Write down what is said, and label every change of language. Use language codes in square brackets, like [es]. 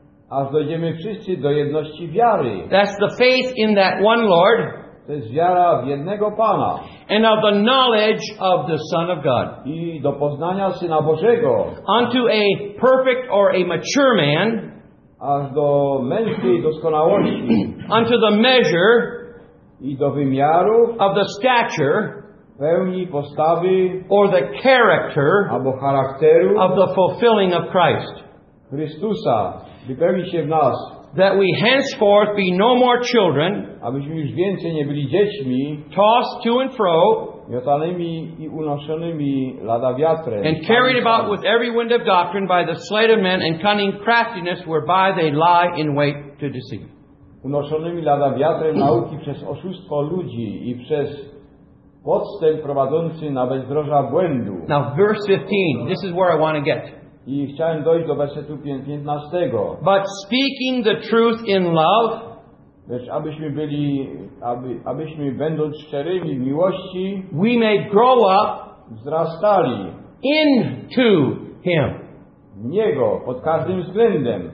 [pl] aż dojdziemy wszyscy do jedności wiary. [en] That's the faith in that one Lord. [pl] To jest wiara w jednego Pana. [en] And of the knowledge of the Son of God. [pl] I do poznania Syna Bożego. [en] Unto a perfect or a mature man. [pl] Aż do męskiej doskonałości. [en] Unto the measure. [pl] I do wymiaru. [en] Of the stature. [pl] Pełni postawy. [en] Or the character. [pl] Albo charakteru. [en] Of the fulfilling of Christ. [pl] Chrystusa. Wypełni się w nas. [en] That we henceforth be no more children, [pl] abyśmy już więcej nie byli dziećmi, [en] tossed to and fro, [pl] miotanymi i unoszonymi lada wiatrem, [en] and carried about with every wind of doctrine by the sleight of men and cunning craftiness whereby they lie in wait to deceive. [pl] Unoszonymi lada wiatrem nauki przez oszustwo ludzi i przez podstęp prowadzący na bezdroża błędu. [en] Now verse 15, this is where I want to get. [pl] I chciałem dojść do wersetu 15. [en] But speaking the truth in love, [pl] lecz abyśmy byli, abyśmy będąc szczerymi w miłości, [en] we may grow up, [pl] wzrastali [en] into him, [pl] w niego pod każdym względem,